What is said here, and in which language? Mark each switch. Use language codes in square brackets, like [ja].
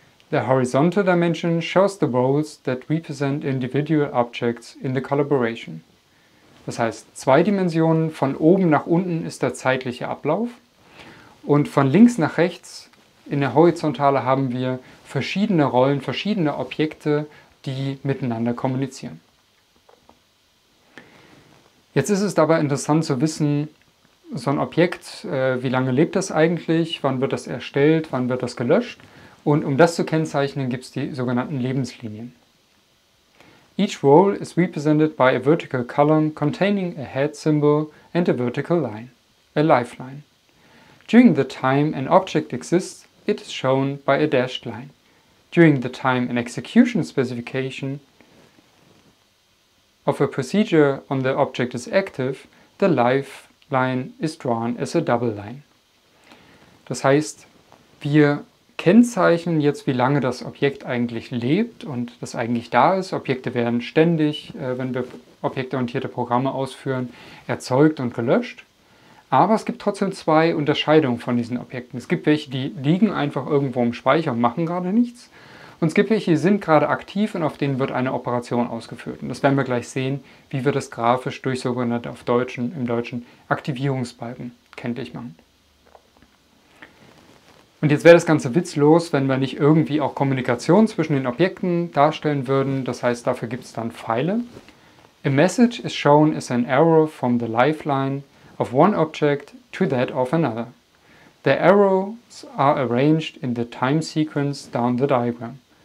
[en] The horizontal dimension shows the roles that represent individual objects in the collaboration. [de] Das heißt, zwei Dimensionen, von oben nach unten ist der zeitliche Ablauf und von links nach rechts in der Horizontale haben wir verschiedene Rollen, verschiedene Objekte, die miteinander kommunizieren. Jetzt ist es dabei interessant zu wissen, so ein Objekt, wie lange lebt das eigentlich, wann wird das erstellt, wann wird das gelöscht? Und um das zu kennzeichnen, gibt es die sogenannten Lebenslinien. [en] Each role is represented by a vertical column containing a head symbol and a vertical line, a lifeline. During the time an object exists, it is shown by a dashed line. During the time an execution specification of a procedure on the object is active, the lifeline is drawn as a double line. [de] Das heißt, wir kennzeichnen jetzt, wie lange das Objekt eigentlich lebt und das eigentlich da ist. Objekte werden ständig, wenn wir objektorientierte Programme ausführen, erzeugt und gelöscht. Aber es gibt trotzdem zwei Unterscheidungen von diesen Objekten. Es gibt welche, die liegen einfach irgendwo im Speicher und machen gerade nichts. Und es gibt welche, die sind gerade aktiv und auf denen wird eine Operation ausgeführt. Und das werden wir gleich sehen, wie wir das grafisch durch sogenannte im Deutschen Aktivierungsbalken kenntlich machen. Und jetzt wäre das Ganze witzlos, wenn wir nicht irgendwie auch Kommunikation zwischen den Objekten darstellen würden. Das heißt, dafür gibt es dann Pfeile. [en] A message is shown as an arrow from the lifeline of one object to that of another. The arrows are arranged in the time sequence down the diagram.